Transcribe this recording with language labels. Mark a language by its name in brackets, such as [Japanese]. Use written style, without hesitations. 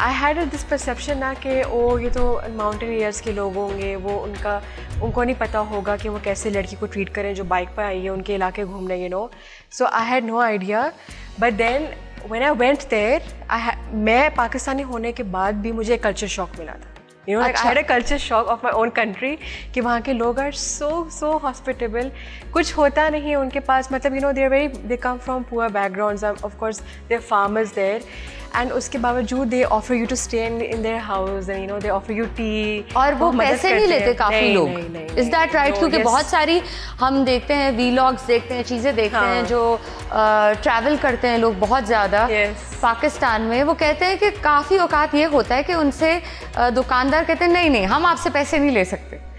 [English] I had this perception [Hindi] ना कि ओ ये तो माउंटेनियर्स के लोग होंगे, वो उनका उनको नहीं पता होगा कि वो कैसे लड़की को ट्रीट करें जो बाइक पर आई है उनके इलाके घूमने, you know. [English] so I had no idea, but then when I went there, [Hindi] मैं पाकिस्तानी होने के बाद भी मुझे कल्चर शॉक मिला था। [English] You know, like I had a culture shock of my own country, [Hindi] कि वहाँ के लोग [English] are so hospitable, [Hindi] कुछ होता नहीं उनके पास, मतलब [English] you know they come from poor backgrounds, of course they're farmers there, and [Hindi] उसके बावजूद [English] they offer you to stay in their house, and you know they offer you tea, [Hindi] और वो पैसे नहीं लेते काफी लोग, [English] is that right? [Hindi] क्योंकि बहुत सारी हम देखते हैं vlogs, देखते हैं चीजें, देखते हैं जो travel करते हैं लोग बहुत ज़्यादा पाकिस्तान में, वो कहते हैं कि काफ़ी औकात ये होता है कि उनसे दुकानदार कहते हैं नहीं नहीं हम आपसे पैसे नहीं ले सकते,